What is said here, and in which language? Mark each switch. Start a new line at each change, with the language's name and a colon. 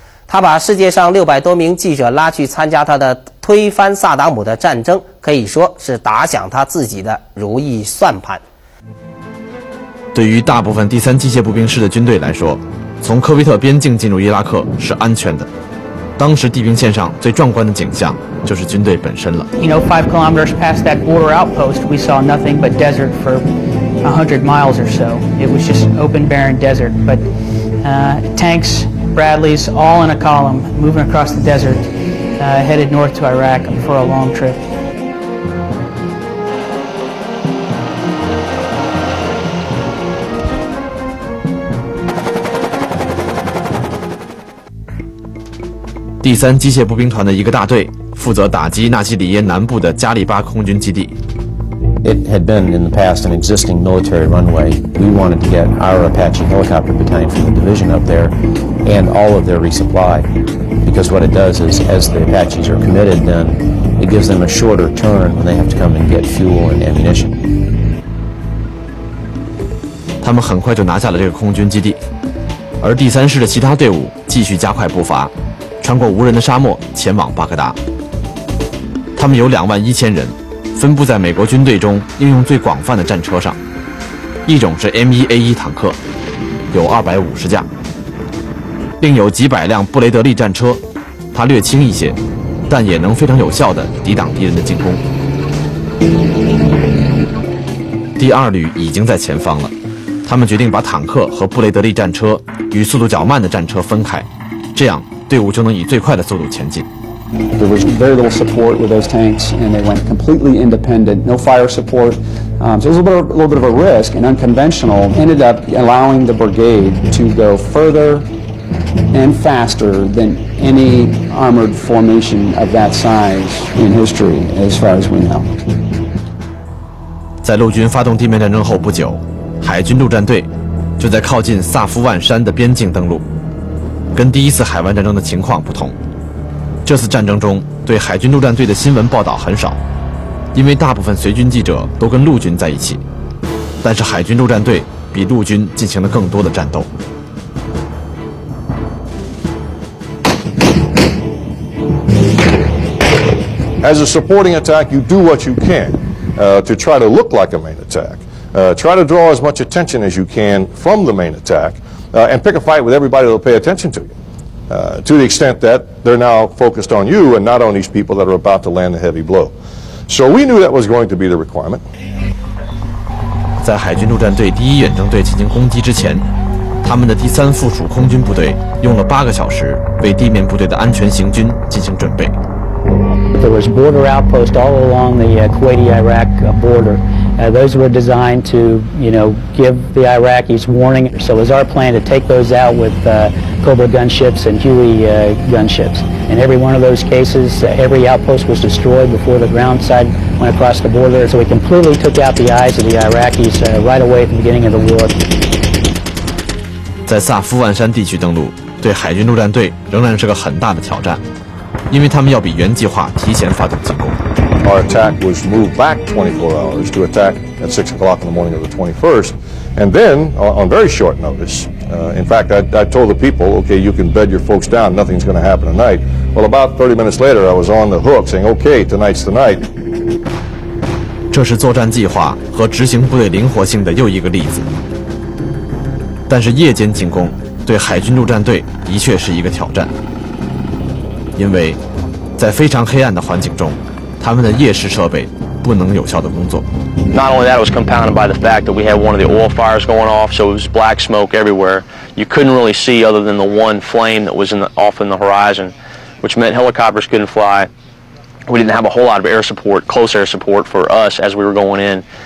Chinese: 他把世界上600多名记者拉去参加他的推翻萨达姆的战争，可以说是打响他自己的如意算盘。对于大部分第三机械步兵师的军队来说，从科威特边境进入伊拉克是安全的。当时地平线上最壮观的景象就是军队本身了。
English: You know, 5 kilometers past that border outpost, we saw nothing but desert for 100 miles or so. It was just open, barren desert. But tanks, Bradleys, all in a column, moving across the desert, headed north to Iraq for a long trip.
Chinese: 第三机械步兵团的一个大队负责打击纳吉里耶南部的加里巴空军基地。
English: It had been in the past an existing military runway. We wanted to get our Apache helicopter battalion from the division up there and all of their resupply. Because what it does is, as the Apaches are committed, then it gives them a shorter turn when they have to come and get fuel and ammunition.
Chinese: 他们很快就拿下了这个空军基地，而第三师的其他队伍继续加快步伐，穿过无人的沙漠前往巴格达。他们有21000人，分布在美国军队中应用最广泛的战车上，一种是 M1A1 坦克，有250架，另有几百辆布雷德利战车，它略轻一些，但也能非常有效地抵挡敌人的进攻。第二旅已经在前方了，他们决定把坦克和布雷德利战车与速度较慢的战车分开，这样队伍就能以最快的速度前进。
English: There was very little support with those tanks, and they went completely independent. No fire support, so it was a little bit of a risk and unconventional. Ended up allowing the brigade to go further and faster than any armored formation of that size in history, as far as we know.
Chinese: 在陆军发动地面战争后不久，海军陆战队就在靠近萨夫万山的边境登陆。跟第一次海湾战争的情况不同，这次战争中对海军陆战队的新闻报道很少，因为大部分随军记者都跟陆军在一起，但是海军陆战队比陆军进行了更多的战斗。
English: As a supporting attack, you do what you can to try to look like a main attack. Try to draw as much attention as you can from the main attack. And pick a fight with everybody that will pay attention to you. To the extent that they're now focused on you and not on these people that are about to land a heavy blow. So we knew that was going to be the requirement.
Chinese: 在海军陆战队第一远征队进行攻击之前，他们的第三附属空军部队用了8个小时为地面部队的安全行军进行准备。
English: There was border outposts all along the Kuwaiti-Iraq border. Those were designed to, you know, give the Iraqis warning. So it was our plan to take those out with Cobra gunships and Huey gunships. In every one of those cases, every outpost was destroyed before the ground side went across the border. So we completely took out the eyes of the Iraqis right away at the beginning of the war.
Chinese: 在萨夫万山地区登陆，对海军陆战队仍然是个很大的挑战。因为他们要比原计划提前发动进攻。
English: Our attack was moved back 24 hours to attack at 6 o'clock in the morning of the 21st. And then, on very short notice, in fact, I told the people, okay, you can bed your folks down, nothing's going to happen tonight. Well, about 30 minutes later, I was on the hook saying, okay, tonight's the night.
Chinese: 这是作战计划和执行部队灵活性的又一个例子。但是夜间进攻对海军陆战队的确是一个挑战，因为在非常黑暗的环境中，他们的夜视设备不能有效的工作。
English: Not only that, it was compounded by the fact that we had one of the oil fires going off, so it was black smoke everywhere. You couldn't really see other than the one flame that was off in the horizon, which meant helicopters couldn't fly. We didn't have a whole lot of air support, close air support for us as we were going in.